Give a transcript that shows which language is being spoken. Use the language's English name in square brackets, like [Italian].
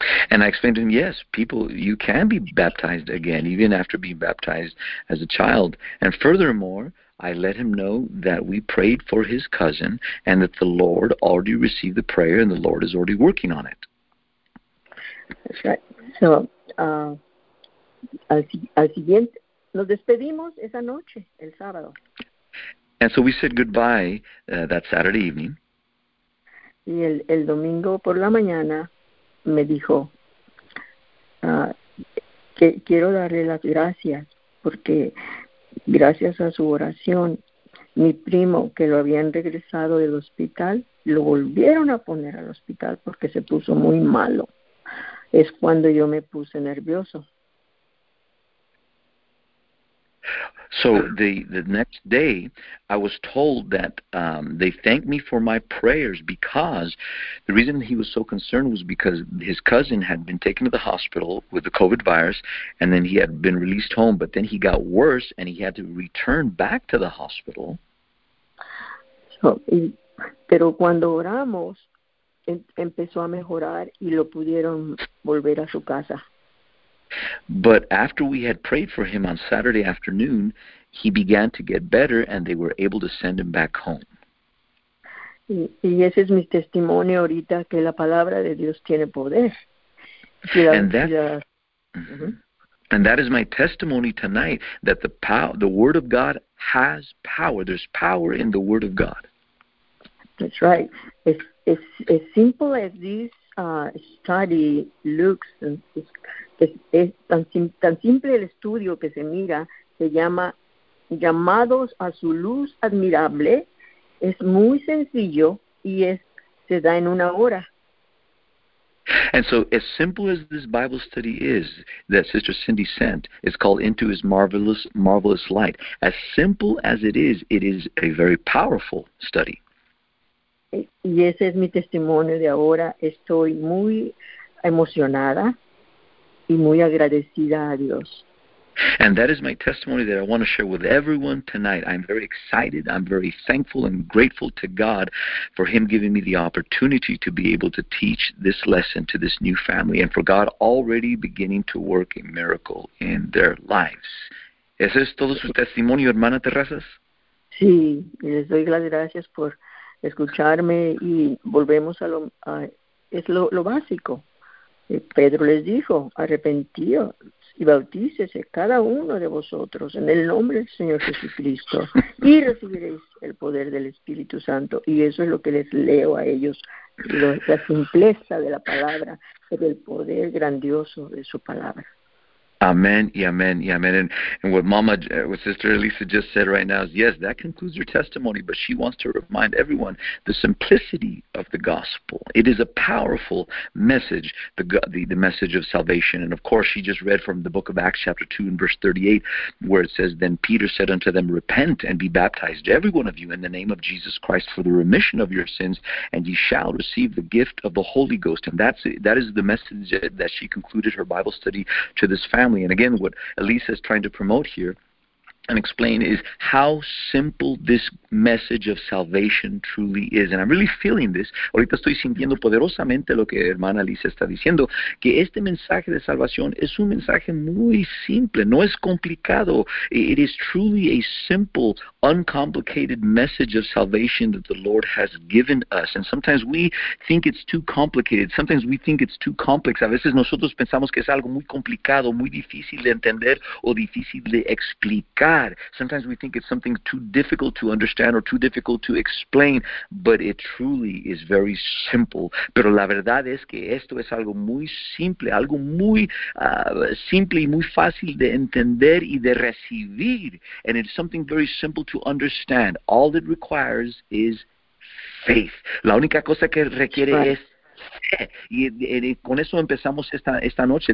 [English] And I explained to him, yes, people, you can be baptized again, even after being baptized as a child. And furthermore, I let him know that we prayed for his cousin and that the Lord already received the prayer and the Lord is already working on it. That's right. [Spanish] So, al siguiente, nos despedimos esa noche, el sábado. [English] And so we said goodbye that Saturday evening. [Spanish] Y el domingo por la mañana me dijo, que quiero darle las gracias porque gracias a su oración, mi primo que lo habían regresado del hospital, lo volvieron a poner al hospital porque se puso muy malo. Es cuando yo me puse nervioso. [English] So the next day, I was told that they thanked me for my prayers because the reason he was so concerned was because his cousin had been taken to the hospital with the COVID virus, and then he had been released home, but then he got worse, and he had to return back to the hospital. [Spanish] So, pero cuando oramos, empezó a mejorar y lo pudieron volver a su casa. [English] But after we had prayed for him on Saturday afternoon, he began to get better and they were able to send him back home. [Spanish] Y ese es mi testimonio ahorita, que la palabra de Dios tiene poder. [English] And that is my testimony tonight, that the word of God has power. There's power in the word of God. That's right. As simple as this study looks, [Spanish] es tan simple el estudio que se mira, se llama Llamados a su luz admirable, es muy sencillo y se da en una hora. [English] And so as simple as this Bible study is that Sister Cindy sent, it's called Into His Marvelous Light. As simple as it is a very powerful study. [Spanish] Y ese es mi testimonio de ahora. Estoy muy emocionada y muy agradecida a Dios. [English] And that is my testimony that I want to share with everyone tonight. I'm very excited. I'm very thankful and grateful to God for Him giving me the opportunity to be able to teach this lesson to this new family and for God already beginning to work a miracle in their lives. [Spanish] ¿Ese es todo su testimonio, hermana Terrazas? Sí, les doy las gracias por escucharme y volvemos a lo... es lo básico. Pedro les dijo, arrepentíos y bautícese cada uno de vosotros en el nombre del Señor Jesucristo y recibiréis el poder del Espíritu Santo. Y eso es lo que les leo a ellos, la simpleza de la palabra, pero el poder grandioso de su palabra. Amen, y amen, y amen. [English] And what Sister Elisa just said right now is, yes, that concludes her testimony, but she wants to remind everyone the simplicity of the gospel. It is a powerful message, the message of salvation. And of course, she just read from the book of Acts chapter 2 and verse 38, where it says, Then Peter said unto them, Repent and be baptized, every one of you, in the name of Jesus Christ, for the remission of your sins, and ye shall receive the gift of the Holy Ghost. And that is the message that she concluded her Bible study to this family. And again, what Elisa is trying to promote here and explain is how simple this message of salvation truly is. And I'm really feeling this. [Spanish] Ahorita estoy sintiendo poderosamente lo que hermana Elisa está diciendo, que este mensaje de salvación es un mensaje muy simple. No es complicado. [English] It is truly a simple, uncomplicated message of salvation that the Lord has given us. And sometimes we think it's too complicated. Sometimes we think it's too complex. [Spanish] A veces nosotros pensamos que es algo muy complicado, muy difícil de entender o difícil de explicar. [English] Sometimes we think it's something too difficult to understand or too difficult to explain, but it truly is very simple. [Spanish] Pero la verdad es que esto es algo muy simple, algo muy simple y muy fácil de entender y de recibir. [English] And it's something very simple to understand. All it requires is faith. [Spanish] La única cosa que requiere es y con eso empezamos esta noche.